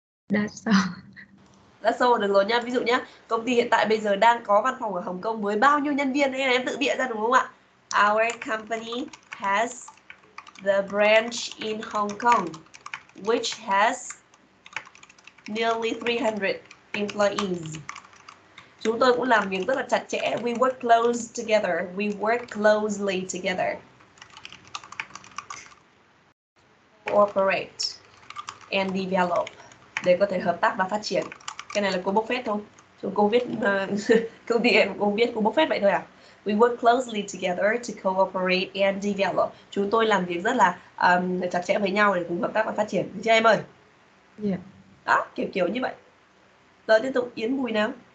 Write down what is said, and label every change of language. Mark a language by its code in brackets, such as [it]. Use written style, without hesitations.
[en] That's all [vi] được rồi nhá. Ví dụ nhá, công ty hiện tại bây giờ đang có văn phòng ở Hồng Kông với bao nhiêu nhân viên, em tự bịa ra đúng không ạ? [en] Our company has the branch in Hong Kong, which has nearly 300 employees. [vi] Chúng tôi cũng làm việc rất là chặt chẽ. [en] We work close together. We work closely together. Cooperate and develop. [vi] Để có thể hợp tác và phát triển. Cái này là cô Buffett thôi. Cô viết công ty em cô viết cô Buffett vậy thôi à? [en] We work closely together to cooperate and develop. [vi] Chúng tôi làm việc rất là chặt chẽ với nhau để cùng hợp tác và phát triển. Được chưa em ơi? Yeah. Đó, kiểu kiểu như vậy. Rồi tiếp tục Yến Bùi nào.